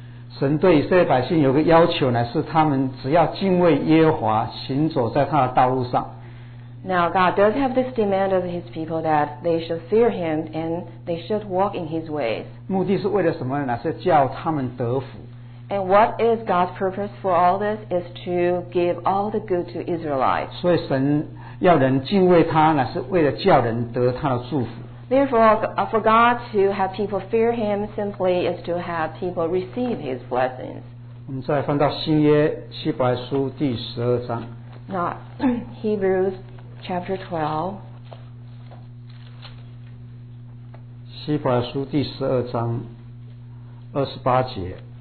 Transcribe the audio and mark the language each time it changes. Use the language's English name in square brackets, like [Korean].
[Chinese] 神对以色列百姓有个要求呢，是他们只要敬畏耶和华，行走在他的道路上。 [English] Now God does have this demand of His people that they should fear Him and they should walk in His ways. [Chinese] 目的是为了什么呢？是叫他们得福。 [English] And what is God's purpose for all this is to give all the good to Israelites. [Chinese] 所以神要人敬畏他呢，是为了叫人得他的祝福。 [English] Therefore, for God to have people fear Him simply is to have people receive His blessings. [Chinese] 我们再翻到新约希伯来书第十二章。 [English] Now, Hebrews chapter 12. [Chinese] 希伯来书第十二章二十八节。